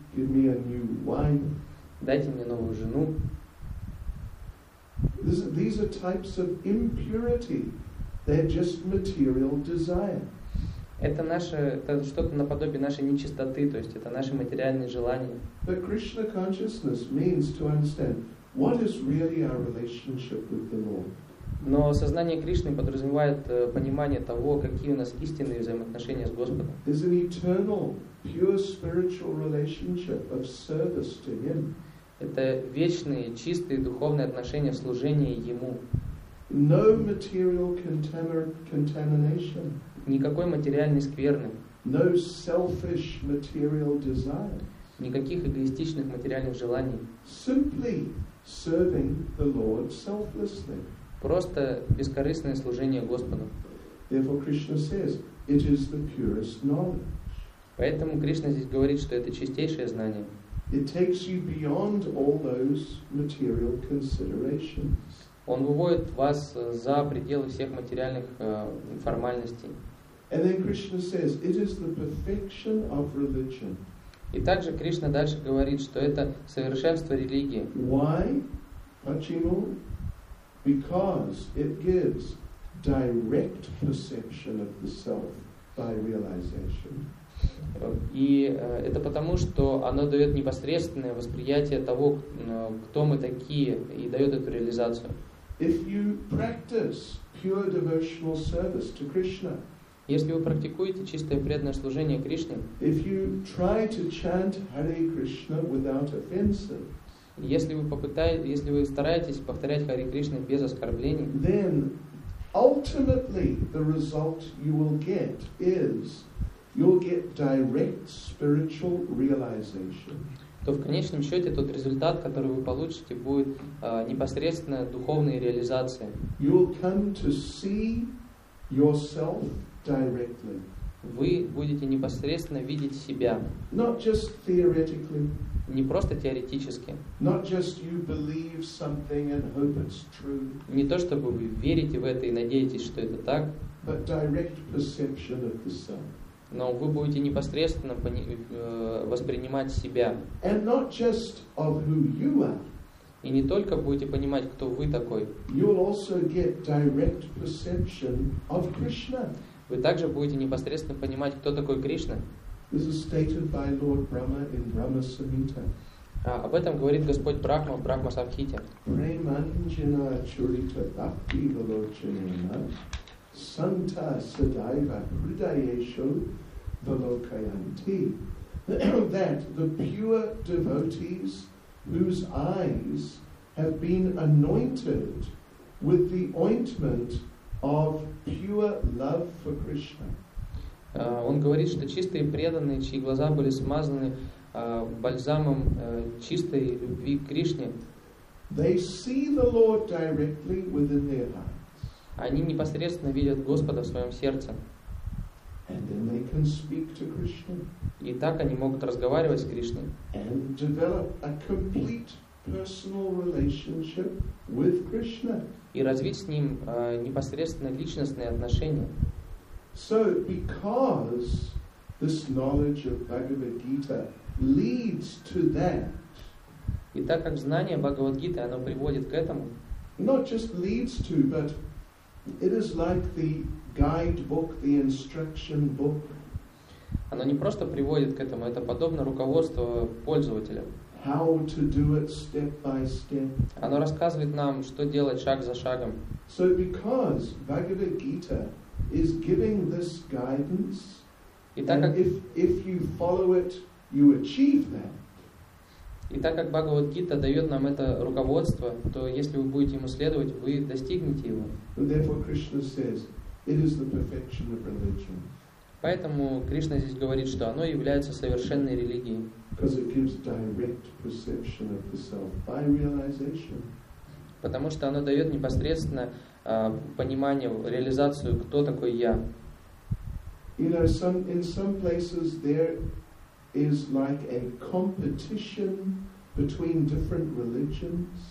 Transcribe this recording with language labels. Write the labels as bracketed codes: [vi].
[en] Give me a new wife. [ru] Дайте мне новую жену. [en] These are types of impurity. They're just material desire. [ru] Это наше, это что-то наподобие нашей нечистоты, то есть это наши материальные желания. [en] But Krishna consciousness means to understand what is really our relationship with the Lord. [ru] Но сознание Кришны подразумевает понимание того, какие у нас истинные взаимоотношения с Господом. [en] Is an eternal, pure spiritual relationship of service to Him. [ru] Это вечные, чистые духовные отношения в служении Ему. [en] No material contamination. [ru] Никакой материальной скверны. [en] No selfish material desire. [ru] Никаких эгоистичных материальных желаний. [en] Simply serving the Lord selflessly. [ru] Просто бескорыстное служение Господу. [en] Therefore Krishna says, it is the purest knowledge. [ru] Поэтому Кришна здесь говорит, что это чистейшее знание. [en] It takes you beyond all those material considerations. [ru] Он выводит вас за пределы всех материальных формальностей. [en] And then Krishna says, it is the perfection of religion. [ru] И также Кришна дальше говорит, что это совершенство религии. [en] Why, [ru] почему? [en] Because it gives direct perception of the self by realization. [ru] И это потому, что оно дает непосредственное восприятие того, кто мы такие, и дает эту реализацию. [en] If you practice pure devotional service to Krishna, [ru] если вы практикуете чистое преданное служение Кришне, [en] if you try to chant Hare Krishna without offenses, [ru] если вы стараетесь повторять Хари Кришна без оскорблений, [en] then ultimately the result you will get is you'll get direct spiritual realization. [ru] То в конечном счете тот результат, который вы получите, будет непосредственно духовной реализацией. [en] You will come to see yourself directly. [ru] Вы будете непосредственно видеть себя. [en] Not just theoretically. [ru] Не просто теоретически. [en] Not just you believe something and hope it's true. [ru] Не то, чтобы вы верите в это и надеетесь, что это так. [en] But direct perception of the self. [ru] Но вы будете непосредственно воспринимать себя. [en] And not just of who you are. [ru] И не только будете понимать, кто вы такой. [en] You'll also get direct perception of Krishna. [ru] Вы также будете непосредственно понимать, кто такой Кришна. [en] This is stated by Lord Brahma in Brahma Samhita. [ru] Об этом говорит Господь Брахма в Брахма Самхите. [sa] Преманджина чурита бхакти валочанена санта садайва хридаешу валокаянти. [en] That the pure devotees whose eyes have been anointed with the ointment of pure love for Krishna. [ru] Он говорит, что чистые преданные, чьи глаза были смазаны бальзамом чистой любви к Кришне, [en] they see the Lord directly within their hearts. [ru] Они непосредственно видят Господа в своем сердце. [en] And then they can speak to Krishna. [ru] И так они могут разговаривать с Кришной. [en] And develop a complete personal relationship with Krishna. [ru] И развить с ним непосредственно личностные отношения. [en] So, because this knowledge of Bhagavad Gita leads to that, [ru] и так как знание Бхагавад Гиты, оно приводит к этому, [en] not just leads to, but it is like the guidebook, the instruction book. [ru] Оно не просто приводит к этому, это подобно руководству пользователя. [en] How to do it step by step. [ru] Оно рассказывает нам, что делать шаг за шагом. [en] So, because Bhagavad Gita is giving this guidance, [ru] и так как, [en] and if you follow it, you achieve that. [ru] И так как Бхагавад-гита дает нам это руководство, то если вы будете ему следовать, вы достигнете его. [en] Therefore Krishna says, it is the perfection of religion. [ru] Поэтому Кришна здесь говорит, что оно является совершенной религией. [en] Because it gives direct perception of the self by realization. [ru] Потому что оно дает непосредственно понимание, реализацию, кто такой я. [en] You know, some, in some places there is like a competition between different religions.